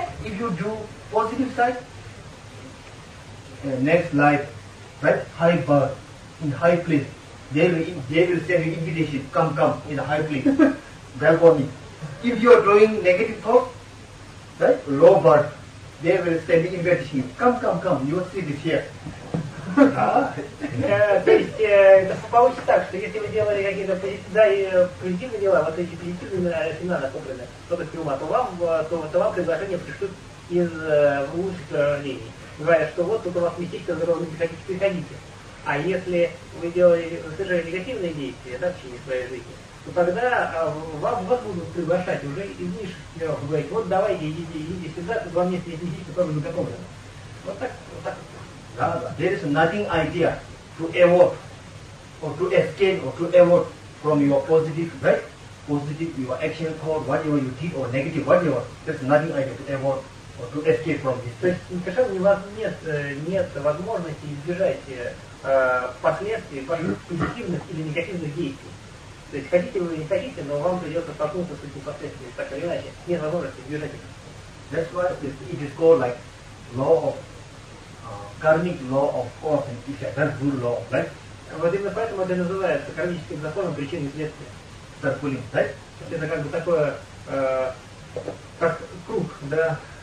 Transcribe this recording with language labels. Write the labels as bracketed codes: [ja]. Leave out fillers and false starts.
[en] If you do positive side, next life, right, high birth, in high place, they will send you invitation, come, in a high place, balcony. If you are doing negative thought, right, low birth, they will send you invitation, come, you will see this here. [ru] То есть это получится так, что если вы делали какие-то позитивные дела, вот эти позитивные семена накоплены, то вам предложение пришлют из лучших рождений. Говорят, что вот тут у вас местечко здорово, приходите. А если вы делали совершенно негативные действия, да, в течение своей жизни, то тогда вас будут приглашать уже из низших миров, говорить, вот давайте, идите сюда, тут вам есть местечко, тоже накоплено. Вот так. [en] There is nothing idea to avoid or to escape or to avoid from your positive, right? Positive, your action thought, whatever you did, or negative, whatever. There's nothing idea to avoid or to escape from this. [ru] То есть, совершенно у вас нет возможности избежать последствий ваших позитивных или негативных действий. То есть, хотите вы или не хотите, но вам придется столкнуться с этими последствиями, так или иначе. Нет возможности избежать их. [en] That's why it is called like law of karmic law of cause and effect, that's good law, right? [ru] Вот именно поэтому это называется кармическим законом причины и следствия. [en] Circling, right? [ru] Это как бы такое, как круг, да?